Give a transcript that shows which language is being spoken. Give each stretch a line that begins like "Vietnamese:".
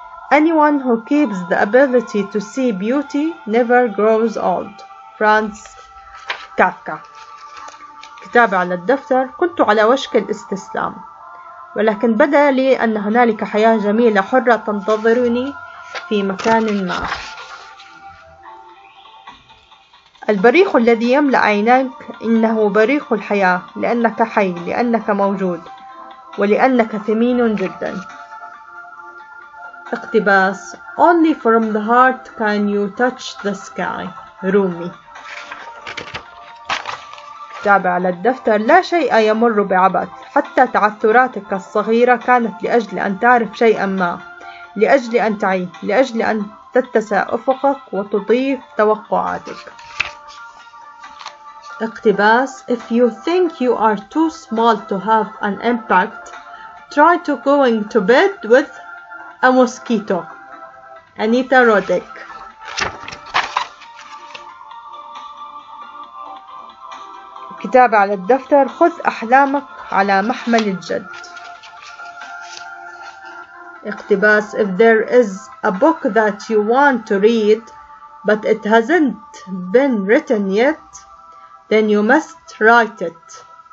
English: Anyone who keeps the ability to see beauty never grows old.
Arabic: Franz Kafka. كتاب على الدفتر. كنت على وشك الاستسلام، ولكن بدا لي أن هنالك حياة جميلة حرة تنتظرني في مكان ما. البريق الذي يملأ عينيك إنه بريق الحياة، لأنك حي، لأنك موجود، ولأنك ثمين جدا. اقتباس:
English: Only from the heart can you touch the sky. رومي.
Arabic: كتاب على الدفتر. لا شيء يمر بعبث، حتى تعثراتك الصغيرة كانت لأجل أن تعرف شيئا ما، لأجل أن تعي، لأجل أن تتسع أفقك وتضيف توقعاتك. اقتباس:
English: If you think you are too small to have an impact, try to going to bed with a mosquito. Anita Roddick.
Arabic: كتابة على الدفتر: خذ أحلامك على محمل الجد. اقتباس:
English: If there is a book that you want to read, but it hasn't been written yet, then you must write it.